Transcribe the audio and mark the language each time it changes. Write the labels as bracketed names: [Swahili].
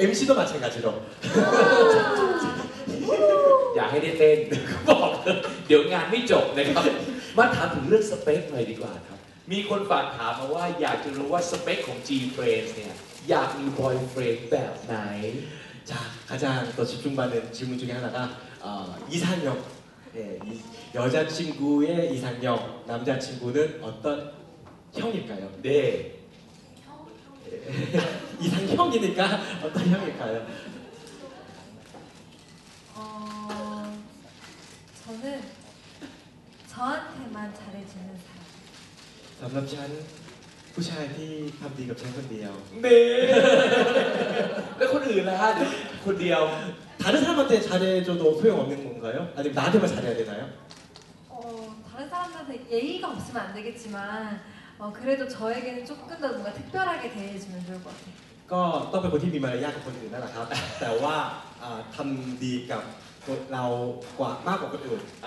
[Thai] MC ต้องมาใช้กันจริงหรอกอยากให้ได้เต้นบอกเดี๋ยวงานไม่จบนะครับมาถามถึงเรื่องสเปคหน่อยดีกว่าครับมีคนฝากถามมาว่าอยากจะรู้ว่าสเปคของ G-Friends เนี่ยอยากมี boyfriend แบบไหน [Korean] 자 가장 또 집중받는 질문 중에 하나가 이상형 네, 이, 여자친구의 이상형 남자친구는 어떤 형일까요? 네 이상형이니까 어떤 형일까요? 저는 저한테만 잘해주는 사람 담담찬 [Thai] ผู้ชายที่ทำดีกับฉันคนเดียว แล้วคนอื่นล่ะคนเดียว [Korean] 다른 사람한테 잘해줘도 소용없는 건가요? 아니면 나한테만 잘해야 되나요? 다른 사람한테 예의가 없으면 안 되겠지만 그래도 저에게는 조금 더 뭔가 특별하게 대해주면 좋을 것 같아요 [Thai] ก็ต้องเป็นคนที่มีมารยาทกับคนอื่นนั่นแหละครับแต่ว่าทำดีกับเรากว่ามากกว่าคนอื่น